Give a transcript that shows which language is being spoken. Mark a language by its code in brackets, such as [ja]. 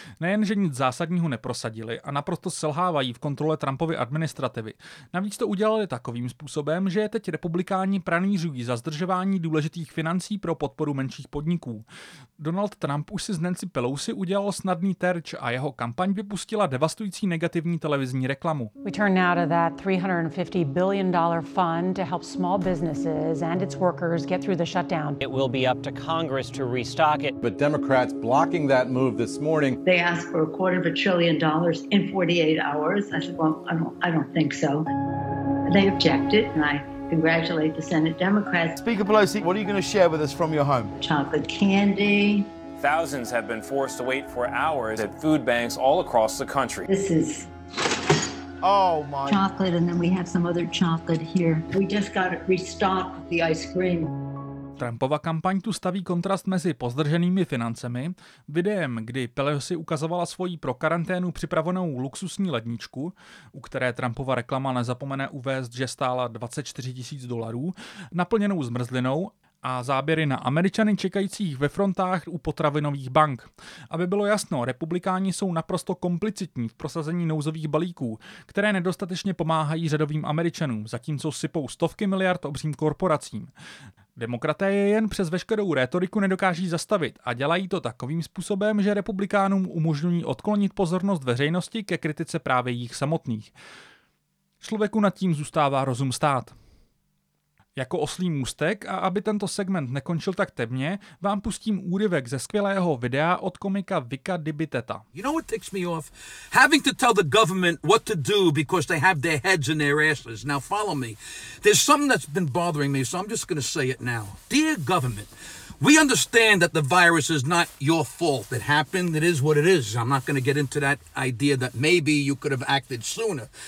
[cs] Nejenže nic zásadního neprosadili a naprosto selhávají v kontrole Trumpovy administrativy. Navíc to udělali takovým způsobem, že teď republikáni pranýřují za zdržování důležitých financí pro podporu menších podniků. Donald Trump už si z Nancy Pelosi udělal snadný terč a jeho kampaň vypustila devastující negativní televizní reklamu. [en] We turn now to that $350 billion fund to help small businesses and its workers get through the shutdown. It will be up to Congress to restock it. But Democrats blocking that move this morning. They asked for $250 billion in 48 hours. I said, well, I don't think so. They objected, and I congratulate the Senate Democrats. Speaker Pelosi, what are you going to share with us from your home? Chocolate candy. Thousands have been forced to wait for hours at food banks all across the country. This is chocolate, and then we have some other chocolate here. We just got to restock the ice cream. [cs] Trumpova kampaň tu staví kontrast mezi pozdrženými financemi, videem, kdy Pelosi ukazovala svoji pro karanténu připravenou luxusní ledničku, u které Trumpova reklama nezapomene uvést, že stála $24,000, naplněnou zmrzlinou, a záběry na Američany čekajících ve frontách u potravinových bank. Aby bylo jasno, republikáni jsou naprosto komplicitní v prosazení nouzových balíků, které nedostatečně pomáhají řadovým Američanům, zatímco sypou stovky miliard obřím korporacím. Demokraté je jen přes veškerou rétoriku nedokáží zastavit a dělají to takovým způsobem, že republikánům umožňují odklonit pozornost veřejnosti ke kritice právě jich samotných. Člověku nad tím zůstává rozum stát. Jako oslý můstek a aby tento segment nekončil tak temně, vám pustím úryvek ze skvělého videa od komika Vika Dibiteta. [en] You know what ticks me off? Having to tell the government what to do because they have their heads in their asses. Now follow me. There's something that's been bothering me, so I'm just going to say it now. Dear government, we understand that the virus is not your fault. It happened, it is what it is. I'm not going to get into that idea that maybe you could have acted sooner.